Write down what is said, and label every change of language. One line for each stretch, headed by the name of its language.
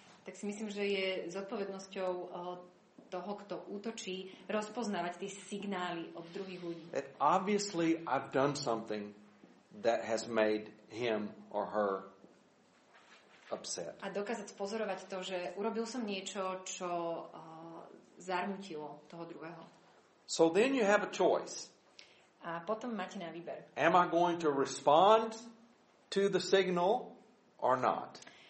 Slovak: Tak si myslím, že je zodpovednosťou toho, kto útočí, rozpoznávať tie signály od druhých ľudí.
English: That obviously I've done something that has made him or her upset.
Slovak: A dokázať pozorovať to, že urobil som niečo, čo zarmutilo toho druhého.
English: So then you have a choice.
Slovak: A potom máte na výber.
English: Am I going to respond to the signal or not?